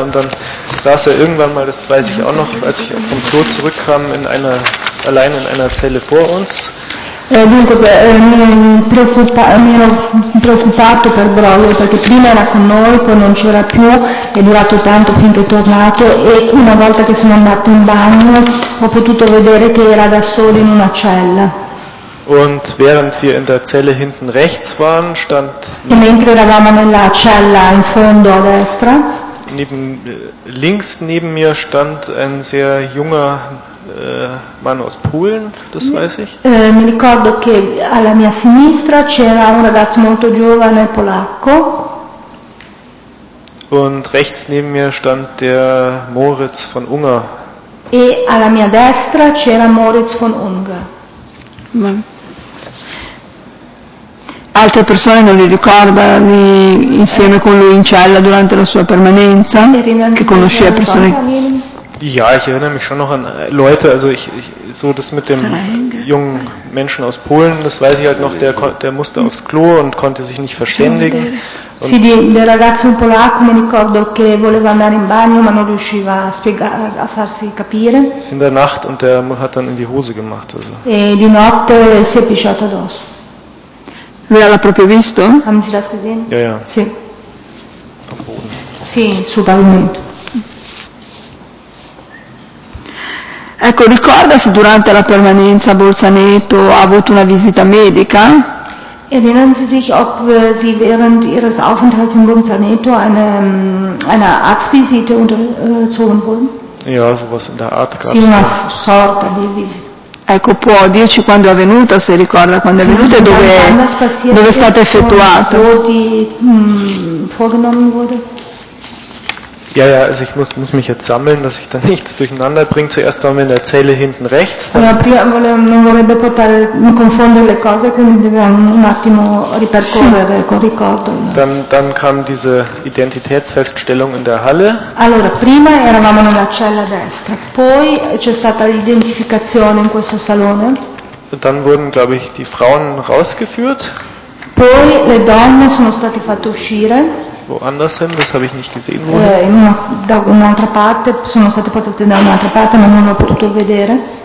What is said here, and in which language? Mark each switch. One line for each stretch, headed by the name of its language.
German: Und dann saß er irgendwann mal, das weiß ich auch noch, als ich vom Klo zurückkam, allein in einer Zelle vor uns.
Italian: Mi ero preoccupato per Broglio, perché prima era con noi, poi non c'era più, è durato tanto finché è tornato, e una volta che sono andato in bagno ho potuto vedere che era da solo in una cella.
German: Und während wir in der Zelle hinten rechts waren, stand
Italian: mentre eravamo nella cella in fondo a destra,
German: links neben mir stand ein sehr junger Mann aus Polen, das weiß ich.
Italian: Mi ricordo che alla mia sinistra c'era un ragazzo molto giovane polacco.
German: Und rechts neben mir stand der Moritz von Unger.
Italian: E alla mia destra c'era Moritz von Unger. Altre persone non li ricorda insieme con lui in cella durante la sua permanenza, che conosceva persone.
German: Ja, ich erinnere mich schon noch an Leute, also ich so das mit dem jungen Menschen aus Polen, das weiß ich halt noch, der musste aufs Klo und konnte sich nicht verständigen.
Italian: Sì, del ragazzo polacco mi ricordo che voleva andare in bagno, ma non riusciva a farsi capire.
German: In der Nacht und der hat dann in die Hose gemacht, also.
Italian: E di notte si è pisciato addosso. Lui l'ha proprio visto?
German: Haben Sie das gesehen? Ja, ja.
Italian: Sì.
German: Am Boden.
Italian: Sì, sul pavimento. Ecco, ricorda se durante la permanenza a Bolzaneto ha avuto una visita medica?
German: Erinnern Sie sich, ob Sie während Ihres Aufenthalts in Bolzaneto eine Arztvisite unterzogen wurden? Ja, sowas in der Art gab es.
Italian: Sì, una sorta di visita. Ecco, può dirci quando è avvenuta, se ricorda quando è avvenuta e dove è stata effettuata?
German: Vorgenommen wurde? Ja, ja, also ich muss mich jetzt sammeln, dass ich da nichts durcheinander bringe. Zuerst waren wir in der Zelle hinten rechts.
Italian: Non vorrebbe confondere le cose, quindi dobbiamo un attimo ripercorrere con ricordo.
German: Dann kam diese Identitätsfeststellung in der Halle.
Italian: Allora, prima eravamo nella cella destra, poi c'è stata l'identificazione in questo salone.
German: Und dann wurden, glaube ich, die Frauen rausgeführt.
Italian: Poi le donne sono state fatte uscire.
German: Woanders hin, das habe ich nicht gesehen.
Italian: Da un'altra parte, sono state portate da un'altra parte, ma non l'ho potuto vedere.